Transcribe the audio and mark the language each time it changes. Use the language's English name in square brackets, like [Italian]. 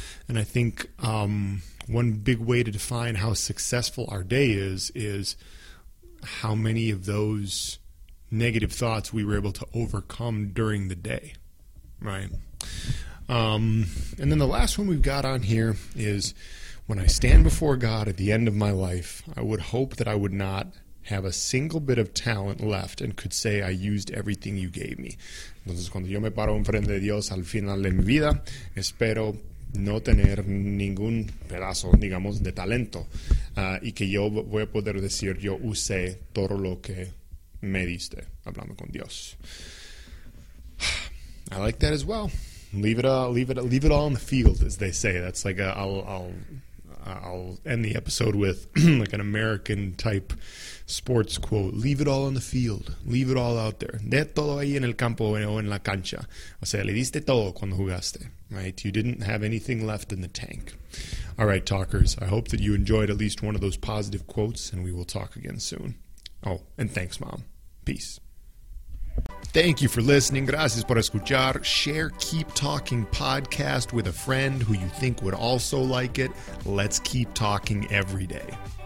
[English] And I think one big way to define how successful our day is how many of those negative thoughts we were able to overcome during the day, right? And then the last one we've got on here is, when I stand before God at the end of my life, I would hope that I would not have a single bit of talent left and could say I used everything you gave me. [Spanish] Entonces, cuando yo me paro enfrente de Dios al final de mi vida, espero no tener ningún pedazo, digamos, de talento. Y que yo voy a poder decir, yo usé todo lo que me diste, hablando con Dios. [English] I like that as well. Leave it all in the field, as they say. That's like I'll end the episode with like an American type sports quote. Leave it all in the field. Leave it all out there. [Spanish] De todo ahí en el campo o en la cancha. O sea, le diste todo cuando jugaste. Right? [English] You didn't have anything left in the tank. All right, talkers. I hope that you enjoyed at least one of those positive quotes, and we will talk again soon. Oh, and thanks, Mom. Peace. Thank you for listening. [Spanish] Gracias por escuchar. [English] Share Keep Talking podcast with a friend who you think would also like it. Let's keep talking every day.